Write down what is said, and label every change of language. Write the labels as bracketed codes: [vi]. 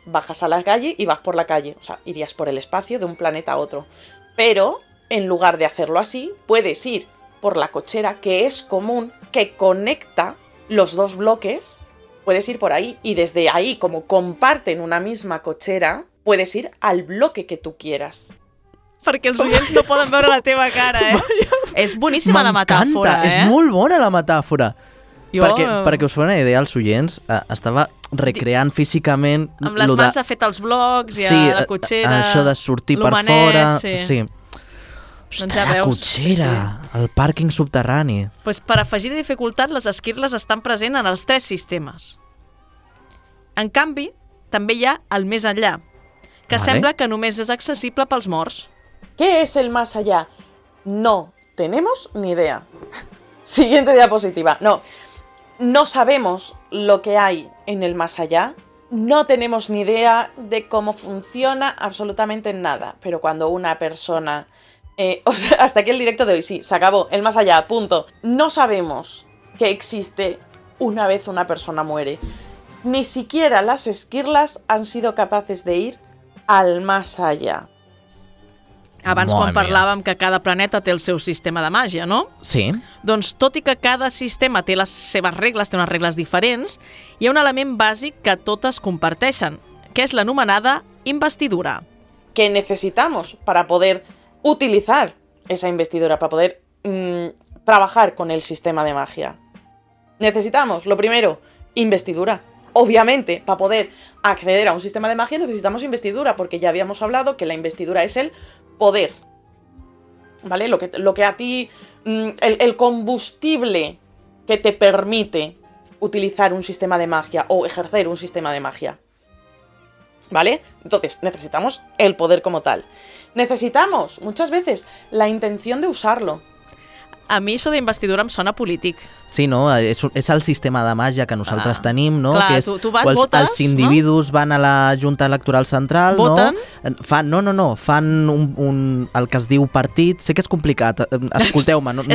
[es] Bajas a la calle y vas por la calle. O sea, irías por el espacio de un planeta a otro. Pero, en lugar de hacerlo así, puedes ir por la cochera, que es común, que conecta los dos bloques. Puedes ir por ahí y desde ahí, como comparten una misma cochera, puedes ir al bloque que tú quieras. [ca] Perquè els oients no poden veure la teva cara, eh? És boníssima la metàfora, eh? M'encanta, és molt bona la metàfora. Perquè us fa una idea, els oients, estava recreant físicament... Amb les mans ha fet els blocs, ja, sí, la cotxera... Això de sortir per fora... Sí. Sí. Ostres, doncs ja la cotxera, el pàrquing subterrani. Pues per afegir dificultat, les esquirles estan presents en els tres sistemes. En canvi, també hi ha el més enllà, que vale, sembla que només és accessible pels morts. [es] ¿Qué es el más allá? No tenemos ni idea. Siguiente diapositiva. No, no sabemos lo que hay en el más allá. No tenemos ni idea de cómo funciona absolutamente nada. Pero cuando una persona... o sea, hasta aquí el directo de hoy, sí, se acabó. El más allá, punto. No sabemos que existe una vez una persona muere. Ni siquiera las esquirlas han sido capaces de ir al más allá. [ca] Abans, quan parlàvem que cada planeta té el seu sistema de màgia, no? Sí. Doncs tot i que cada sistema té les seves regles, té unes regles diferents, hi ha un element bàsic que totes comparteixen, que és l'anomenada investidura. [es] Què necessitamos para poder utilizar esa investidura, para poder trabajar con el sistema de magia? Necesitamos, lo primero, investidura. Obviamente, para poder acceder a un sistema de magia necesitamos investidura, porque ya habíamos hablado que la investidura es el poder, ¿vale? Lo que a ti, el combustible que te permite utilizar un sistema de magia o ejercer un sistema de magia, ¿vale? Entonces, necesitamos el poder como tal. necesitamos muchas veces la intención de usarlo. [ca] A mi això d'investidura em sona polític. Sí, no? És el sistema de màgia que nosaltres tenim, no? Clar, que és, tu vas, quals, votes... Els individus van a la Junta Electoral Central... Voten? No? Fan un, el que es diu partit... Sé que és complicat, escolteu-me, no us perdeu.